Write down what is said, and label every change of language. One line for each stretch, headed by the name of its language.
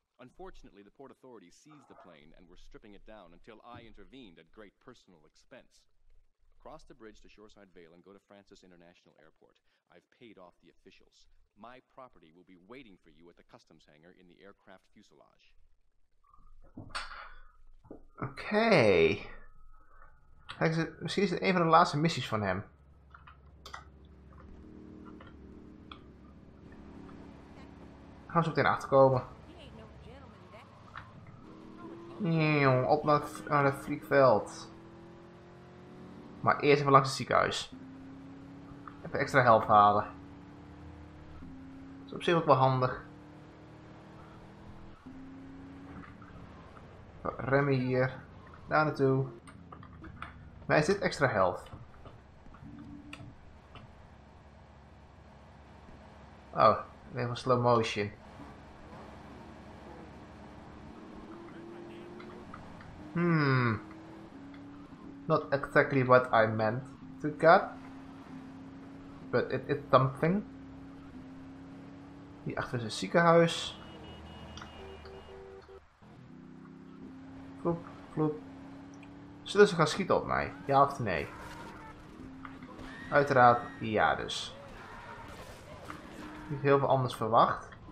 English: Unfortunately, the port authorities seized the plane and were stripping it down until I intervened at great personal expense. Cross the bridge to Shoreside Vale and go to Francis International Airport. I've paid off the officials. My property will be waiting for you at the customs hangar in the aircraft fuselage. Okay.
Dutch: Misschien is het een van de laatste missies van hem. Gaan ze meteen achterkomen. Op naar het vliegveld. Maar eerst even langs het ziekenhuis. Even extra helft halen. Dat is op zich ook wel handig. Remmen hier. Daar naartoe. Mij is dit extra helft. Oh, even slow motion.
English: Not exactly what I meant to get, but it is something.
Dutch: Hier achter is een ziekenhuis. Vloep, vloep. Zullen ze gaan schieten op mij? Ja of nee? Uiteraard ja dus. Niet heel veel anders verwacht.